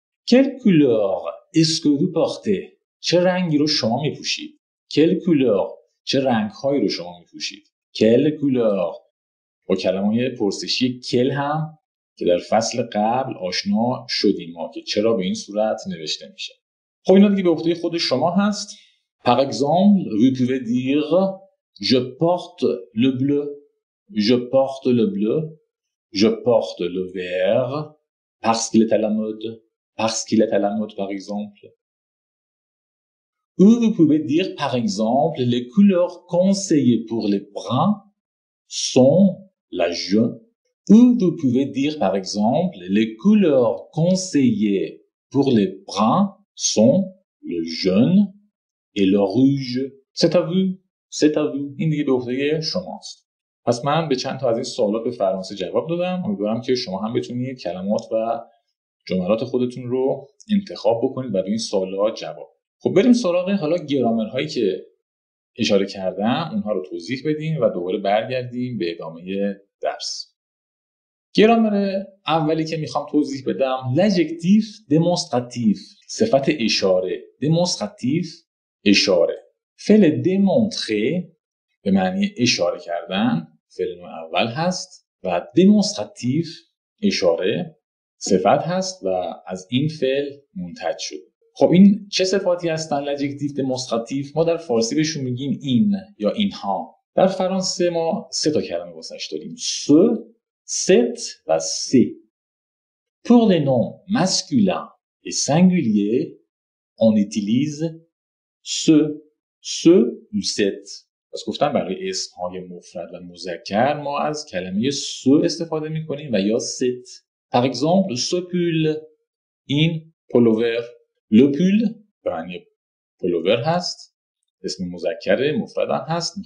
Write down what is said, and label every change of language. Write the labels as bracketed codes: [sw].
[fr] quel couleur est-ce que vous portez؟ [fa] چه رنگی رو شما میپوشید؟ [fr] quel couleur، [fa] چه رنگ هایی رو شما میپوشید؟ کل کولر با کلمه های پرسشی کل هم که در فصل قبل آشنا شدیم ما که چرا به این صورت نوشته میشه. خب اینا دیگه به عهده خود شما هست. [fr] par exemple vous pouvez dire je porte le bleu، je porte le bleu، je porte le vert parce qu'il est à la mode، parce qu'il est à la mode par exemple. Ou vous pouvez dire, par exemple, les couleurs conseillées pour les bruns sont la jaune. Ou vous pouvez dire, par exemple, les couleurs conseillées pour les bruns sont le jaune et le rouge. C'est à vous. C'est à vous. [fa] این دیگه دفعه شما است. پس من به چند تا از این سوالات به فرانسه جواب دادم. امیدوارم که شما هم بتونید کلمات و جملات خودتون رو انتخاب بکنید و به این سوالات جواب. خب بریم سراغ حالا گرامرهایی که اشاره کردم، اونها رو توضیح بدیم و دوباره برگردیم به ادامه درس. گرامر اولی که میخوام توضیح بدم لجکتیف دمونستراتیف، صفت اشاره. دمونستراتیف اشاره. فعل دمونتره به معنی اشاره کردن فعل نوع اول هست و دمونستراتیف اشاره صفت هست و از این فعل منتج شد. خب این چه صفاتی هستن لجکتیف دموستراتیف؟ ما در فارسی بهشون میگیم این یا اینها. در فرانسه ما سه تا کلمه واسش داریم، سو، ست و سی. [fr] pour les noms masculins et singuliers on utilise سو، سو و ست. [fa] پس گفتم برای اسمهای مفرد و مذکر ما از کلمه سو استفاده میکنیم و یا ست. [fr] par exemple سو پول، [fa] این پولوور. le pull به معنی پولوور هست، اسم مذکر مفرد هست.